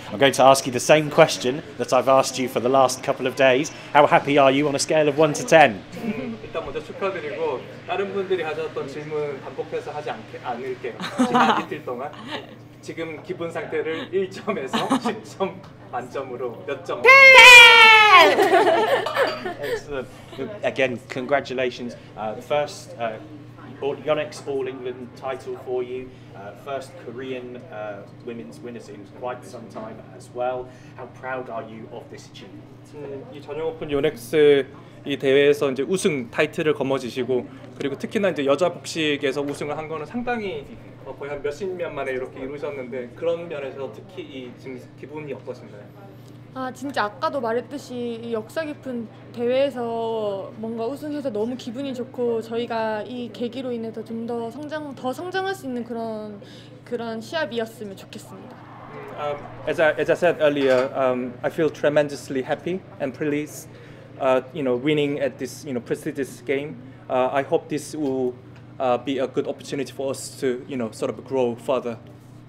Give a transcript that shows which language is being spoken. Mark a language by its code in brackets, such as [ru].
[en] I'm going to ask you the same question that I've asked you for the last couple of days. How happy are you on a scale of 1 to 10? [ko] 일단 먼저 축하드리고 다른 분들이 가져왔던 질문 반복해서 하지 않을게요. 지난 이틀 동안 지금 기분 상태를 1점에서 10점 만점으로 몇 점? [en] 10! Excellent. Again, congratulations. First, Yonex All England title for you. First Korean women's winners in quite some time as well. How proud are you of this achievement? [ko] 이 전용 오픈 Yonex 이 대회에서 이제 우승 타이틀을 거머쥐시고 그리고 특히나 이제 여자 복식에서 우승을 한 거는 상당히 거의 한 몇십 년 만에 이렇게 이루셨는데 그런 면에서 특히 이 지금 기분이 어떠신가요? 아 진짜 아까도 말했듯이 이 역사 깊은 대회에서 뭔가 우승해서 너무 기분이 좋고 저희가 이 계기로 인해서 좀 더 성장할 수 있는 그런 시합이었으면 좋겠습니다. [en] As I said earlier, I feel tremendously happy and pleased, you know, winning at this you know prestigious game. I hope this will be a good opportunity for us to you know sort of grow further.